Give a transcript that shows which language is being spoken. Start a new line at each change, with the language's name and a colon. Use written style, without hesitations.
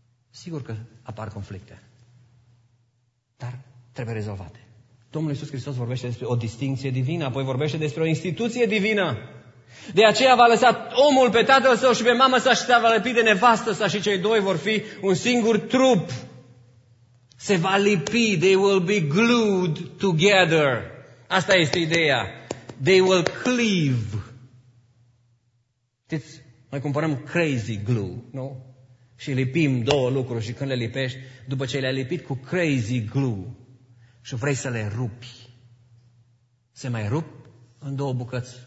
Romanian: Sigur că apar conflicte. Dar trebuie rezolvate. Domnul Iisus Hristos vorbește despre o distinție divină, apoi vorbește despre o instituție divină. De aceea va lăsa omul pe tatăl său și pe mamă sa și se va lipi de nevastă sa și cei doi vor fi un singur trup. Se va lipi,
English: they will be glued together.
Romanian: Asta este ideea.
English: They will cleave.
Romanian: Știți, noi cumpărăm crazy glue, nu? Și lipim două lucruri și când le lipești, după ce le-ai lipit cu crazy glue și vrei să le rupi, se mai rup în două bucăți?